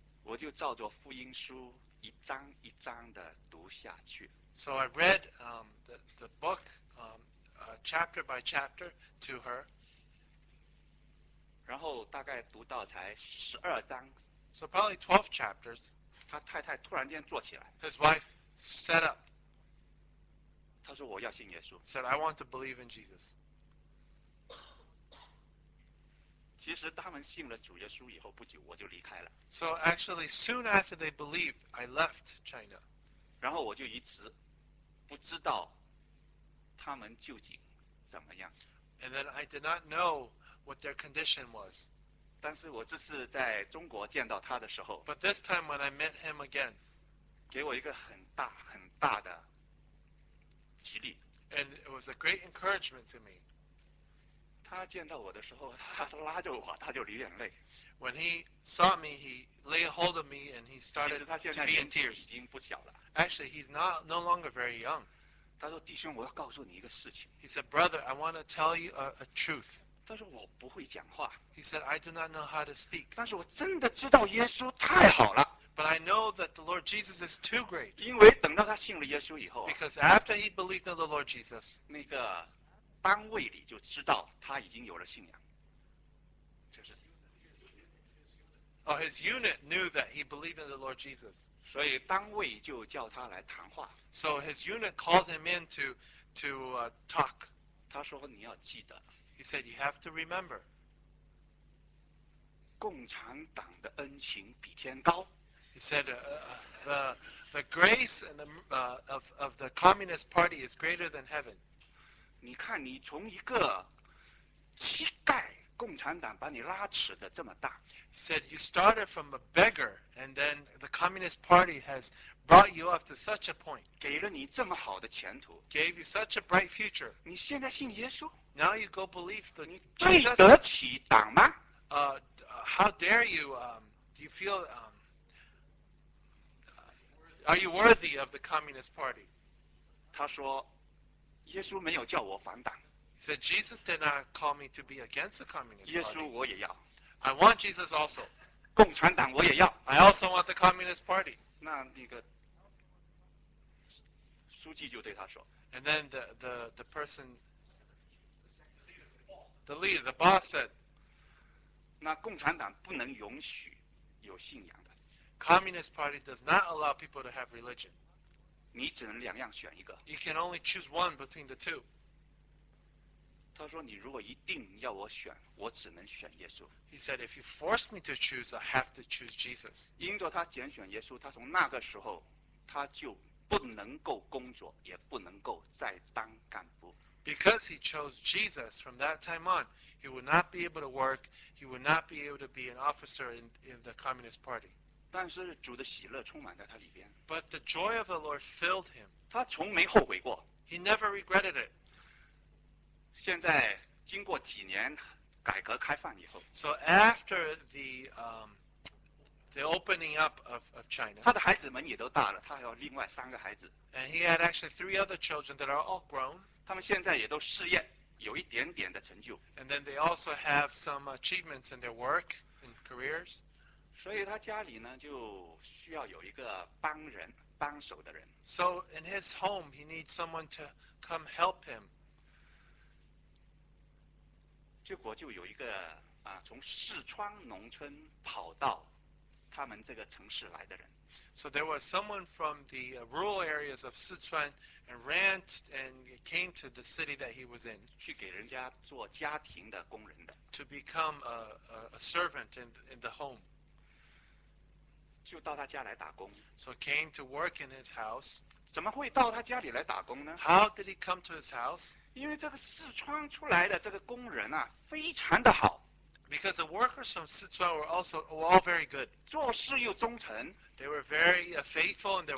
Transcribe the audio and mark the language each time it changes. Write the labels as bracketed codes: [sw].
[zh] 我就照着福音书一章一章的读下去。 [en] So I read the book chapter by chapter to her. [zh] 然后大概读到才十二章。 [en] So probably 12 chapters. [zh] 他太太突然间坐起来。 [en] His wife sat up. [zh] 他说我要信耶稣。 [en] Said I want to believe in Jesus. [zh] 其实他们信了主耶稣以后不久我就离开了。 [en] So actually soon after they believed, I left China. [zh] 然后我就一直不知道他们究竟怎么样。 [en] And then I did not know what their condition was. [zh] 但是我这次在中国见到他的时候 [en] But this time when I met him again, [zh] 给我一个很大很大的激励。 [en] And it was a great encouragement to me. [zh] 他见到我的时候，他拉着我，他就流眼泪。 [en] When he saw me, he laid hold of me and he started to be in tears. [zh] 其实他现在年纪已经不小了。 [en] Actually, he's no longer very young. [zh] 他说：“弟兄，我要告诉你一个事情。 [en] ”He said, "Brother, I want to tell you a truth." [zh] 他说：“我不会讲话。 [en] ”He said, "I do not know how to speak." [zh] 但是我真的知道耶稣太好了。 [en] But I know that the Lord Jesus is too great. [zh] 因为等到他信了耶稣以后 [en] ，Because after he believed in the Lord Jesus, [zh] 那个。单位里就知道他已经有了信仰。 [en] Oh, his unit knew that he believed in the Lord Jesus. [zh] 所以单位就叫他来谈话。 [en] So his unit called him in to talk. [zh] 他说你要记得。 [en] He said you have to remember. [zh] 共产党的恩情比天高。 [en] He said the grace and of the Communist Party is greater than heaven. [zh] 你看，你从一个乞丐，共产党把你拉扯的这么大。 [en] Said you started from a beggar, and then the Communist Party has brought you up to such a point. [zh] 给了你这么好的前途。 [en] Gave you such a bright future. [zh] 你现在信耶稣 [en] ？Now you go believe that [zh] 你对得起党吗 [en] ？How dare you? Do you feel? Are you worthy of the Communist Party? [zh] 他说。耶稣没有叫我反党。 [en] He said Jesus did not call me to be against the Communist Party. [zh] 耶稣我也要。 [en] I want Jesus also. [zh] 共产党我也要。 [en] I also want the Communist Party. [zh] 那个书记就对他说。 [en] And then the person, the leader, the boss said, [zh] 那共产党不能允许有信仰的。 [en] Communist Party does not allow people to have religion. [zh] 你只能两样选一个。 [en] You can only choose one between the two. [zh] 他说：“你如果一定要我选，我只能选耶稣。” [en] He said, "If you force me to choose, I have to choose Jesus." [zh] 因着他拣选耶稣，他从那个时候他就不能够工作，也不能够再当干部。 [en] Because he chose Jesus, from that time on, he would not be able to work. He would not be able to be an officer in the Communist Party. [zh] 但是主的喜乐充满在他里边。 [en] But the joy of the Lord filled him. [zh] 他从没后悔过。 [en] He never regretted it. [zh] 现在经过几年改革开放以后。 [en] So after the opening up of China. [zh] 他的孩子们也都大了，他还有另外三个孩子。 [en] And he had actually three other children that are all grown. [zh] 他们现在也都事业有一点点的成就。 [en] And then they also have some achievements in their work and careers. [zh] 所以他家里呢就需要有一个帮人帮手的人。 [en] So in his home, he needs someone to come help him. [zh] 结果就有一个从四川农村跑到他们这个城市来的人。 [en] So there was someone from the rural areas of Sichuan and ran and came to the city that he was in. [zh] 去给人家做家庭的工人的。 [en] To become a servant in the home. [zh] 就到他家来打工。 [en] So came to work in his house. [zh] 怎么会到他家里来打工呢？ [en] How did he come to his house? [zh] 因为这个四川出来的这个工人啊，非常的好。 [en] Because the workers from Sichuan were all very good. [zh] 做事又忠诚。 [en] They were very faithful in their